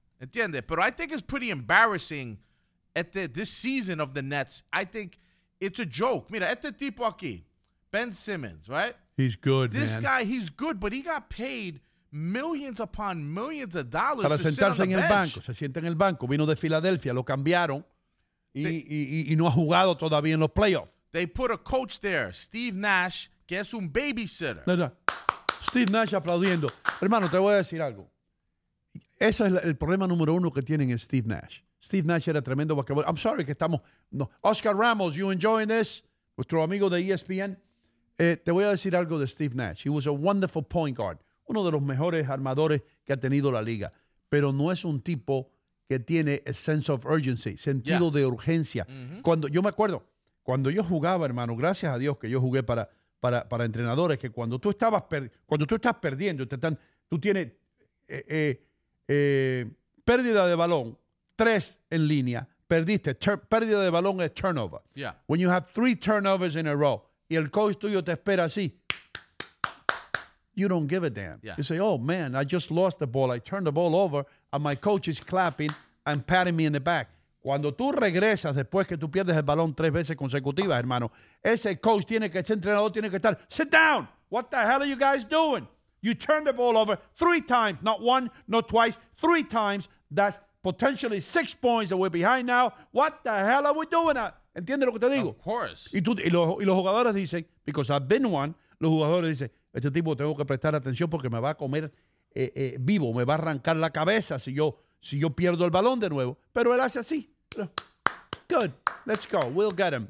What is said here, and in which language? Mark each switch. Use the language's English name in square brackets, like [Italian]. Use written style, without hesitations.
[Spanish] ¿Entiendes? Pero [English] I think it's pretty embarrassing this season of the Nets. I think It's a joke. [Spanish] Mira, este tipo aquí, [English] Ben Simmons, right? He's good, this man. This guy, he's good, but he got paid millions upon millions of dollars [Spanish] para [English] to [Spanish] sentarse [English] sit on [Spanish] en [English] the [Spanish] el [English] bench. [Spanish] Banco. Se sienta en el banco. Vino de Filadelfia, lo cambiaron y no ha jugado todavía en los playoffs. [English] They put a coach there, Steve Nash, [Spanish] que es un babysitter. No, no. Steve Nash aplaudiendo. Hermano, te voy a decir algo. Ese es el problema número uno que tienen en Steve Nash. Steve Nash era tremendo basquetbol. [English] I'm sorry [Spanish] que estamos... No. Oscar Ramos, [English] you enjoying this? [Spanish] Nuestro amigo de ESPN. Te voy a decir algo de Steve Nash. [English] He was a wonderful point guard. [Spanish] Uno de los mejores armadores que ha tenido la liga. Pero no es un tipo que tiene [English] a sense of urgency, [Spanish] sentido yeah. de urgencia. Mm-hmm. Cuando yo me acuerdo, cuando yo jugaba, hermano, gracias a Dios que yo jugué para entrenadores, que cuando tú estabas cuando tú estás perdiendo, tú tienes pérdida de balón, tres en línea, perdiste. Pérdida de balón es turnover. [English] Yeah. When you have three turnovers in a row, [Spanish] y el coach tuyo te espera así, [English] you don't give a damn. Yeah. You say, oh man, I just lost the ball. I turned the ball over and my coach is clapping and patting me in the back. [Spanish] Cuando tú regresas después que tú pierdes el balón tres veces consecutivas, hermano, ese entrenador tiene que estar, [English] sit down. What the hell are you guys doing? You turned the ball over three times, not one, not twice, three times. That's potentially 6 points that we're behind now. What the hell are we doing? [Spanish] ¿Entiendes lo que te digo? [English] Of course. [Spanish] Y los jugadores dicen, [English] because I've been one, [Spanish] los jugadores dicen, este tipo tengo que prestar atención porque me va a comer vivo, me va a arrancar la cabeza si yo pierdo el balón de nuevo. Pero él hace así. [English] Good. Let's go. We'll get him.